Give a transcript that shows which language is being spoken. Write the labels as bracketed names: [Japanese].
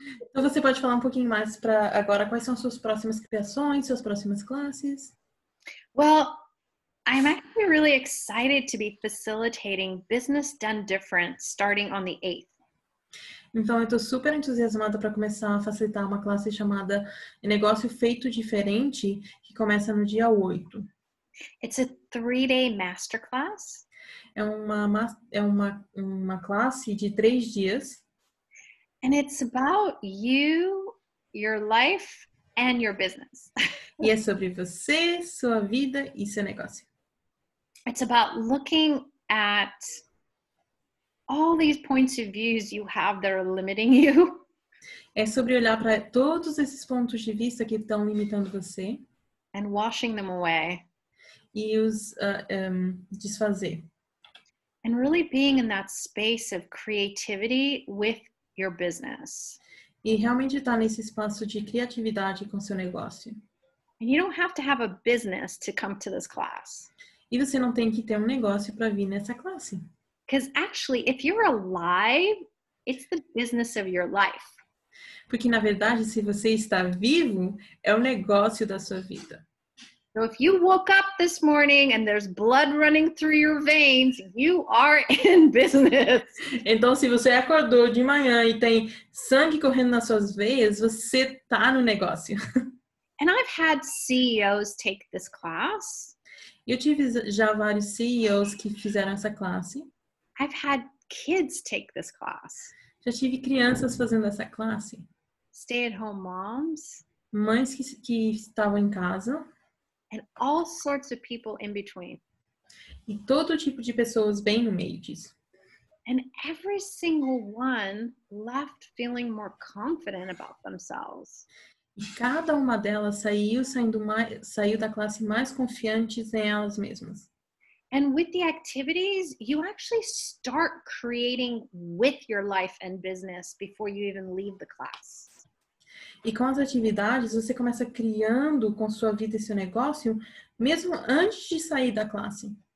[Portuguese] Então você pode falar um pouquinho mais para agora quais são suas próximas criações, suas próximas classes? [English] Well, I'm actually really excited to be facilitating Business Done Different starting on the 8th. [Portuguese] Então, eu estou super entusiasmada para começar a facilitar uma classe chamada Negócio Feito Diferente, que começa no dia 8. [English] It's a 3-day masterclass. [Portuguese] É uma classe de 3 dias. [English] And it's about you, your life, and your business. [Portuguese] E é sobre você, sua vida e seu negócio. [English] It's about looking at all these points of views you have that are limiting you. [Portuguese] É sobre olhar para todos esses pontos de vista que estão limitando você. [English] And washing them away. [Portuguese] E os desfazer. [English] And really being in that space of creativity with your business. [Portuguese] E realmente estar nesse espaço de criatividade com seu negócio. [English] And you don't have to have a business to come to this class. [Portuguese] E você não tem que ter negócio para vir nessa classe. [English] Because actually, if you're alive, it's the business of your life. [Portuguese] Porque na verdade, se você está vivo, negócio da sua vida. [English] So if you woke up this morning and there's blood running through your veins, you are in business. [Portuguese] Então se você acordou de manhã e tem sangue correndo nas suas veias, você está no negócio. [English] And I've had CEOs take this class. [Portuguese] Eu tive já vários CEOs que fizeram essa classe. [English] I've had kids take this class. [Portuguese] Já tive crianças fazendo essa classe. [English] Stay-at-home moms. [Portuguese] Mães que estavam em casa. [English] And all sorts of people in between. [Portuguese] E todo tipo de pessoas bem no meio disso. [English] And every single one left feeling more confident about themselves. [Portuguese] E cada uma delas saiu da classe mais confiantes em elas mesmas. [English] And with the activities, you actually start creating with your life and business before you even leave the class. [Portuguese] E com as atividades, você começa criando com sua vida e seu negócio, mesmo antes de sair da classe.